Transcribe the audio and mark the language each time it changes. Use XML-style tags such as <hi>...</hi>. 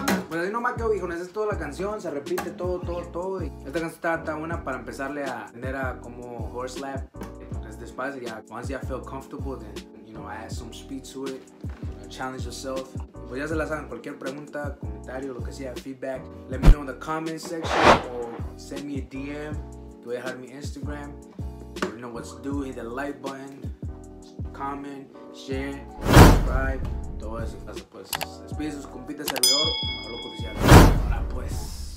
<es>Es toda la canción, se repite todo. Esta canción está buena para empezarle a aprender a como horse lap. Es despacio, ya.</es> <en>Once you feel comfortable, then, you know, add some speed to it. You know, challenge yourself.</en> <es>Pues ya se la saben, cualquier pregunta, comentario, lo que sea, feedback.</es> <en>Let me know in the comment section or send me a DM.</en> <es>Te voy a dejar mi Instagram.</es> <en>You know what to do, hit the like button. Comment, share, subscribe.</en> <es>Todo eso, pues, despide sus compitas servidor, a loco oficial. Ahora pues.</es>